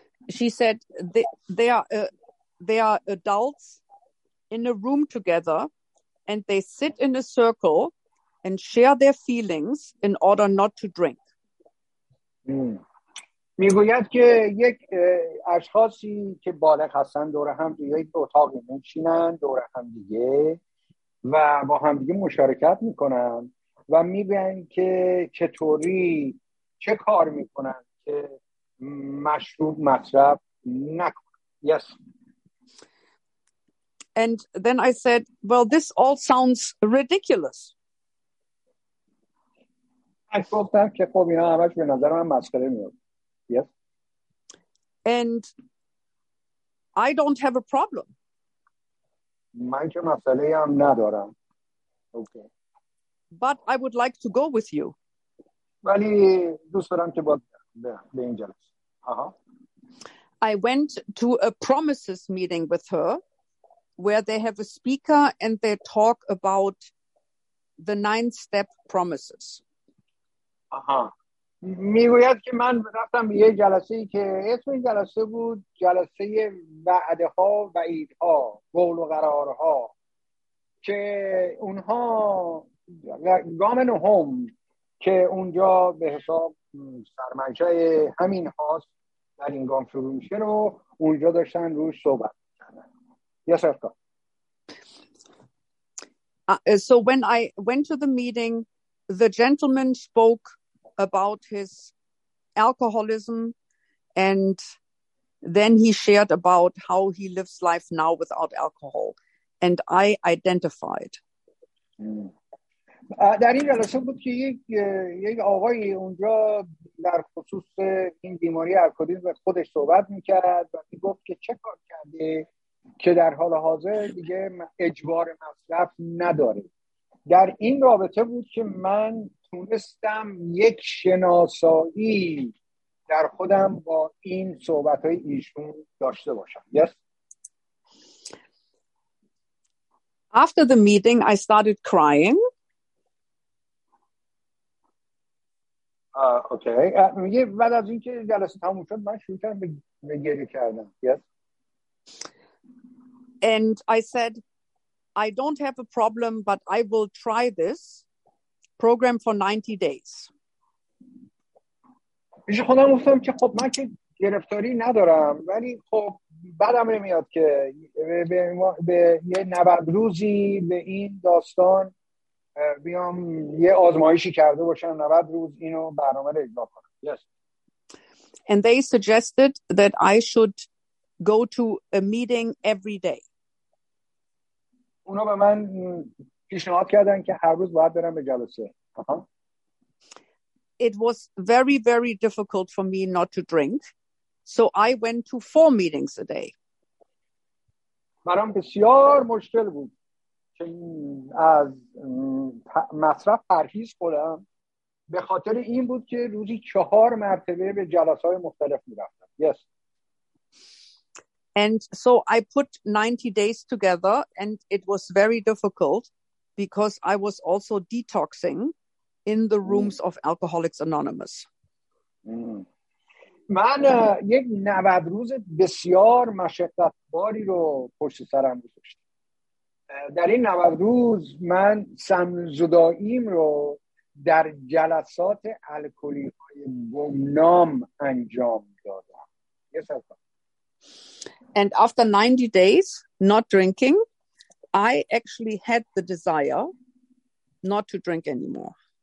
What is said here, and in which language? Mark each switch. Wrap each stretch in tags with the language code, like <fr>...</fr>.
<en>She said, they are adults in a room together and they sit in a circle and share their feelings in order not to drink.</en> <fa>میگوید که یک اشخاصی که بالغ هستن دور هم دیگه یک اتاق میشینن دور هم دیگه و با هم دیگه مشارکت میکنن و میبینن که چطوری چه کار میکنن که مشروب مصرف نکنن.</fa> <en>Yes. And then I said, well, this all sounds ridiculous.</en> <fa>I گفتم که خب اینا همش به نظر من مسخره میاد.</fa> <en>Yes. And I don't have a problem.</en> <fa>من که مسئله هم ندارم. Okay.</fa> <en>But I would like to go with you.</en> <fa>ولی دوست دارم که با به این جلسه.</fa> <en>I went to a promises meeting with her where they have a speaker and they talk about the 9-step promises.</en> <fa>میگوید که من رفتم به یه جلسه ای که اسم این جلسه بود جلسه وعده ها و ایدها، قول و قرار ها، که اونها گام نهم که اونجا به حساب سرمنشای همین هاست در این گام شروع میشه رو اونجا داشتن روش صحبت کردن. یه سرکا</fa> <en>so when I went to the meeting, the gentleman spoke about his alcoholism, and then he shared about how he lives life now without alcohol, and I identified.</en> <fa>در این جلسه بود که یک آقای اونجا در خصوص این بیماری الکلیسم خودش صحبت میکرد و میگفت که چه کار کرده که در حال حاضر دیگه اجبار مصرف نداره. در این رابطه بود که من تونستم یک شناسایی در خودم با این صحبت‌های ایشون داشته باشم.</fa> <en>Yes. After the meeting, I started crying. Okay.</en> <fa>بعد از اینکه جلسه تموم شد، من شروع کردم به گریه کردن.</fa> <en>Yes. And I said, I don't have a problem, but I will try this program for 90 days.</en> <fa>پیش خودم گفتم که خب من که گرفتاری ندارم، ولی خب بعدم نمیاد که به یه 90 روزی به این داستان بیام یه آزمایشی کرده باشم، 90 روز اینو برنامه رو اجرا کنم.</fa> <en>Yes. And they suggested that I should go to a meeting every day.</en> <fa>اونا به من پیشنهاد کردن که هر روز باید برم به جلسه.</fa> <en>It was very, very difficult for me not to drink. So I went to 4 meetings a day.</en> <fa>برام بسیار مشکل بود که از مصرف پرهیز کنم، به خاطر این بود که روزی 4 مرتبه به جلسه‌های مختلف می‌رفتم.</fa> <en>Yes. And so I put 90 days together, and it was very difficult because I was also detoxing in the rooms of Alcoholics Anonymous.</en> <fa>من یک 90 روز بسیار مشقت‌باری رو پشت سرم گذاشتم. در این 90 روز من سمزدائیم رو در جلسات الکلی‌های گمنام انجام دادم.</fa> <en>Yes, I thought. And after 90 days not drinking, I actually had the desire not to drink anymore.</en>